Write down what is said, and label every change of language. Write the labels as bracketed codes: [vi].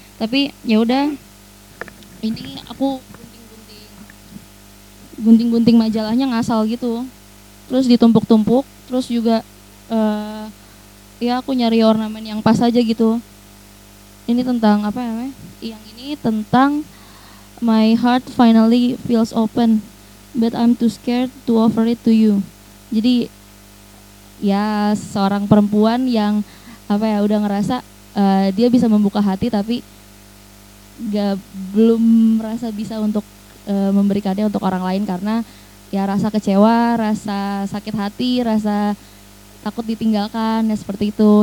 [id] Tapi ya udah ini aku gunting-gunting majalahnya ngasal gitu. Terus ditumpuk-tumpuk, terus juga ya aku nyari ornamen yang pas aja gitu. Ini tentang apa namanya? Yang ini tentang [en] my heart finally feels open, but I'm too scared to offer it to you. [id] Jadi ya seorang perempuan yang apa ya, udah ngerasa dia bisa membuka hati tapi belum merasa bisa untuk memberikannya untuk orang lain, karena ya rasa kecewa, rasa sakit hati, rasa takut ditinggalkan, ya seperti itu.